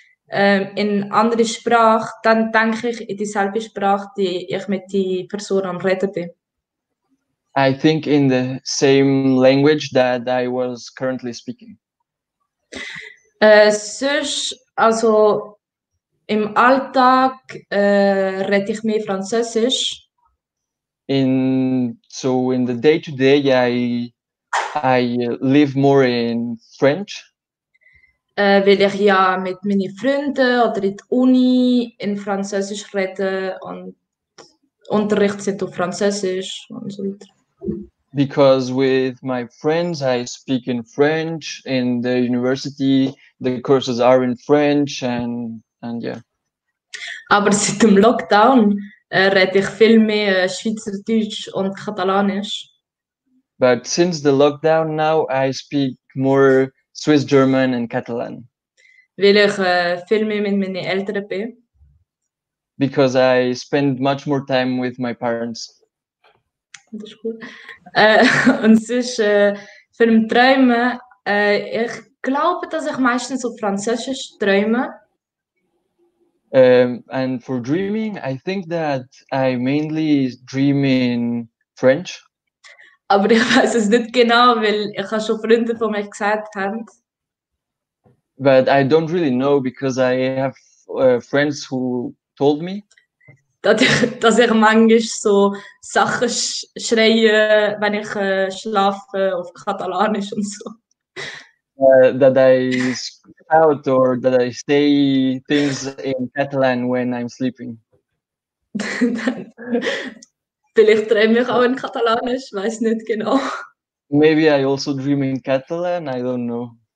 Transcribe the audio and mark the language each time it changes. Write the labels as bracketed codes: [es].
[de] In andere Sprache, dann denke ich in dieselbe Sprache, die ich mit der Person am Reden bin. [en] I think in the same language that I was currently speaking. [de] Also im Alltag rede ich mehr Französisch. [en] In the day to day I live more in French. [de] Weil ich ja mit meinen Freunden oder in der Uni in Französisch rede und Unterricht sind auf Französisch und so weiter. [en] Because with my friends, I speak in French in the university. The courses are in French, and yeah. [de] Aber seit dem Lockdown rede ich viel mehr Schweizerdeutsch und Katalanisch. [en] But since the lockdown, now I speak more Swiss German and Catalan. [de] Weil ich viel mehr mit meinen Eltern bin. [en] Because I spend much more time with my parents. [de] Das ist cool. Und sonst für den Träumen, ich glaube, dass ich meistens auf Französisch träume. [en] And for dreaming, I think that I mainly dream in French. [de] Aber ich weiß es nicht genau, weil ich habe schon Freunde von mir gesagt haben. [en] But I don't really know, because I have friends who told me. [de] Dass ich manchmal so Sachen schreie, wenn ich schlafe, auf Katalanisch und so. [en] That I scream out or that I say things in Catalan when I'm sleeping. [de] Vielleicht träume ich auch in Katalanisch, weiß nicht genau. [en] Maybe I also dream in Catalan, I don't know.